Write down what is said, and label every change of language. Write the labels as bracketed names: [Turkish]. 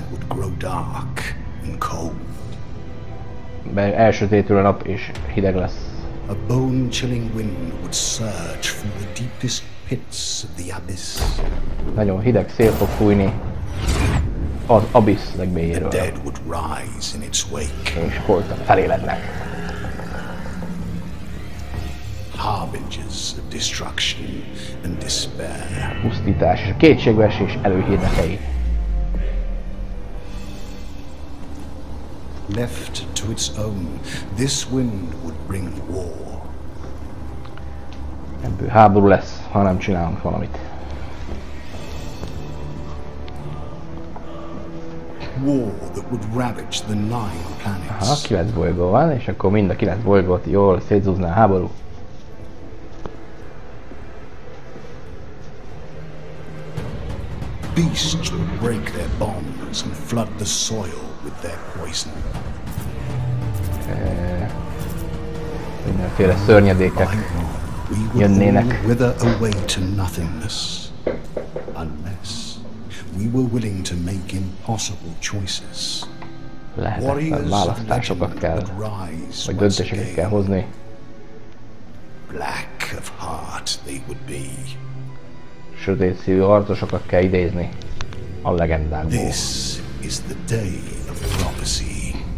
[English] Would grow dark and cold. [Hungarian] Mert elsötétül a nap és hideg lesz. [English] A bone-chilling wind would surge from the deepest pits of the abyss. [Hungarian] Nagyon hideg szél fog fújni. Az abyss legmélyéről. [English] The dead would rise in its wake. [Hungarian] És holtak felélednek. [English] Harbingers of destruction and despair. [Hungarian] Pusztítás és a kétségbeesés előhírnökei. [English] Left to its own, this wind would bring war. [Hungarian] Ebből háború lesz, ha nem csinálunk valamit. [English] War that would ravage the nine planets. [Hungarian] Aha, 9 bolygó van, és akkor mind a 9 bolygót jól szétzúzná a háború. [English] Beasts would break their bonds and flood the soil with their poison. [Hungarian] Mindenféle szörnyedékek jönnének. [English] Wither away to nothingness unless we were willing to make impossible choices. [Hungarian] Lehetetlen választásokat kell, vagy döntéseket kell hozni. [English] Black of heart they would be. [Hungarian] Sötét szívű harcosokat kell idézni a legendákból. [English] This is the day of prophecy.